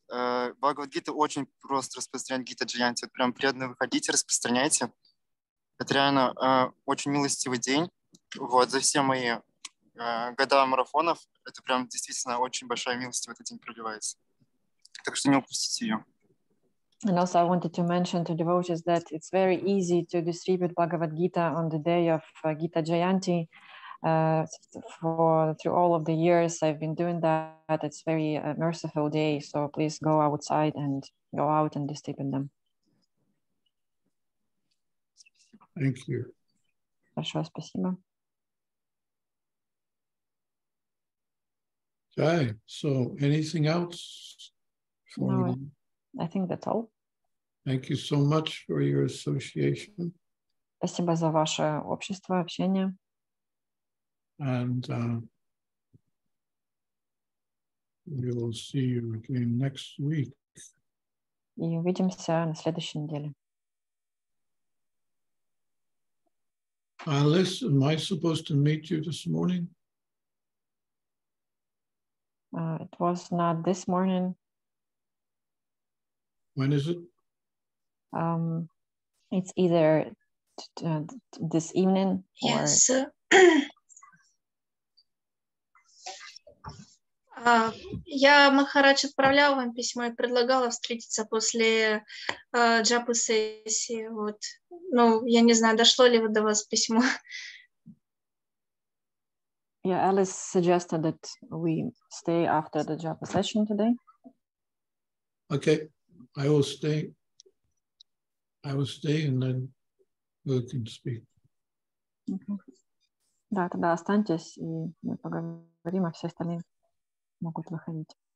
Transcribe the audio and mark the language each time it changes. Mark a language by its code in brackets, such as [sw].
[ru] Бхагавад-гита очень просто распространяет Гита Джаянти. Вот прям приятно выходить, распространяйте. Это реально очень милостивый день. Вот. За все мои года марафонов это прям действительно очень большая милость в этот день проливается. Так что не упустите ее. [en] And also I wanted to mention to devotees that it's very easy to distribute Bhagavad-gita on the day of Gita Jayanti. Through all of the years I've been doing that, it's very merciful day, so please go outside and go out and distribute them. Thank you. [ru] Хорошо, спасибо. [en] Okay, so anything else? I think that's all. Thank you so much for your association. [ru] Спасибо за ваше общество, общение. [en] And we will see you again next week. [ru] И увидимся на следующей неделе. [en] Alice, am I supposed to meet you this morning? It was not this morning. When is it? It's either this evening or... Yes, sir. [ru] Я Махарадж отправлял вам письмо и предлагала встретиться после джапы сессии. Вот. Ну, я не знаю, дошло ли до вас письмо. [en] Yeah, Alice suggested that we stay after the japa session today. Okay, I will stay. I will stay and then we can speak. [ru] Да, тогда останьтесь, и мы поговорим, а все остальные могут выходить.